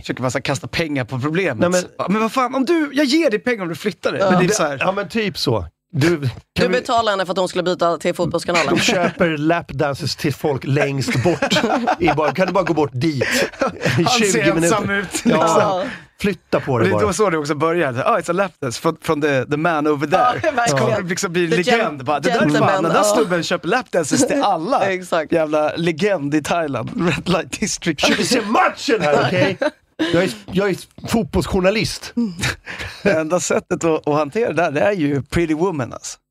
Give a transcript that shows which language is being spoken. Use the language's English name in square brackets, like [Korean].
[Swedish] Försöker bara kasta pengar på problemet. Nej, men vad fan, om du, jag ger dig pengar om du flyttar dig. Ja. Men är så här... ja, men typ så. Du betalar henne för att hon skulle byta till fotbollskanalen. Du köper lapdances till folk längst bort. Kan du bara gå bort dit? Han 20 ser minuter. Ensam ut. Ja. Ja. Flytta på det, det bara. Det var så det också började. [English] Ah, it's a lapdance from the man over there. [Swedish] Ja, det kommer liksom bli legend. Den där snubben köper lapdances till alla. Exakt. Jävla legend i Thailand. Red Light District. Vi ser matchen här, okej? Okay? Jag är fotbollsjournalist. Det enda sättet att hantera det här, det är ju Pretty Woman, alltså.